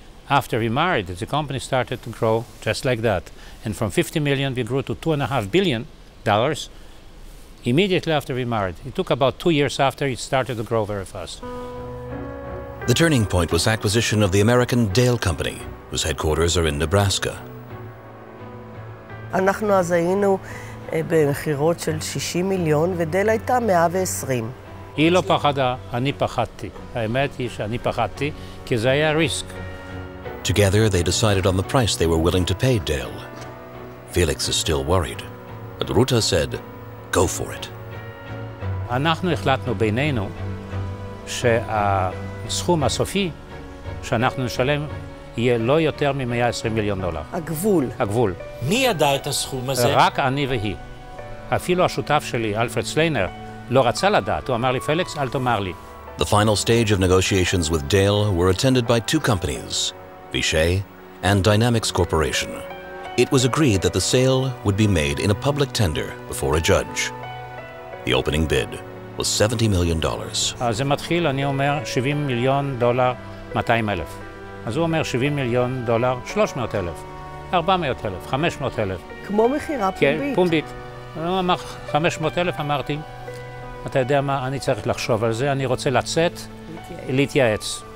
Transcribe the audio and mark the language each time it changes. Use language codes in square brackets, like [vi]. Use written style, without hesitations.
[en] After we married, the company started to grow just like that. And from $50 million, we grew to $2.5 billion immediately after we married. It took about 2 years after it started to grow very fast. The turning point was acquisition of the American Dale Company, whose headquarters are in Nebraska. [he] אנחנו אז היינו במחירות של 60 מיליון, ודל הייתה 120. היא לא פחדה, אני פחדתי. האמת היא שאני פחדתי, כי זה היה ריסק. [en] Together, they decided on the price they were willing to pay Dale. Felix is still worried, but Ruta said, go for it. [he] אנחנו החלטנו בינינו שהסכום הסופי שאנחנו נשלם יהיה לא יותר מ-120 מיליון דולר. הגבול. הגבול. מי ידע את הסכום הזה? רק אני והיא. אפילו השותף שלי, אלפרד סליינר, לא רצה לדעת. הוא אמר לי, פליקס, אל תאמר לי. [en] The final stage of negotiations with Dale were attended by two companies, Vishay and Dynamics Corporation. It was agreed that the sale would be made in a public tender before a judge. The opening bid was $70 million. [he] אז זה מתחיל, אני אומר, [en] $70 million, $200,000. [he] אז הוא אומר, [en] $70 million, $300,000. 400,000, 500,000. [he] כמו מחירה פומבית. פומבית. הוא אמר, 500,000, אמרתי, אתה יודע מה, אני צריך לחשוב על זה, אני רוצה לצאת, להתייעץ.